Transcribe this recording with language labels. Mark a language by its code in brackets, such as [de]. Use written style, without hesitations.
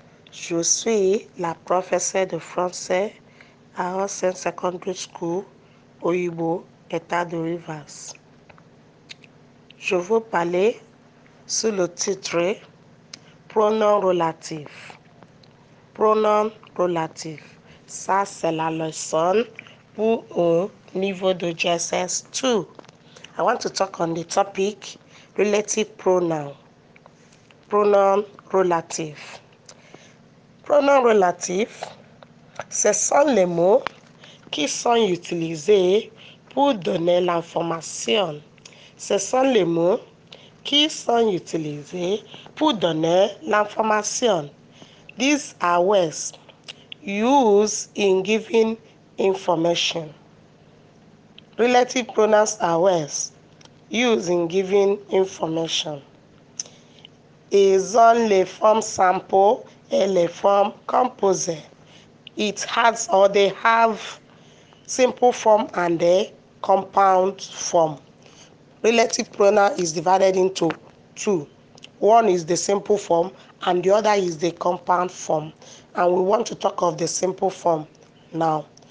[fr] Je suis la professeure de français à un Saint-Secondary School au Hibo, État de Rivers. Je veux parler sous le titre Pronoms relatifs. Pronoms relatifs. Ça, c'est la leçon pour au niveau de GSS 2. [en] I want to talk on the topic relative pronoun. [fr] Pronoms relatifs. Pronoms relatifs, ce sont les mots qui sont utilisés pour donner l'information. Ce sont les mots qui sont utilisés pour donner l'information. [en] These are words used in giving information. Relative pronouns are words used in giving information. [fr] Ils ont les formes simples et les formes composées. [en] It has or they have simple form and a compound form. Relative pronoun is divided into two. One is the simple form and the other is the compound form. And we want to talk of the simple form now.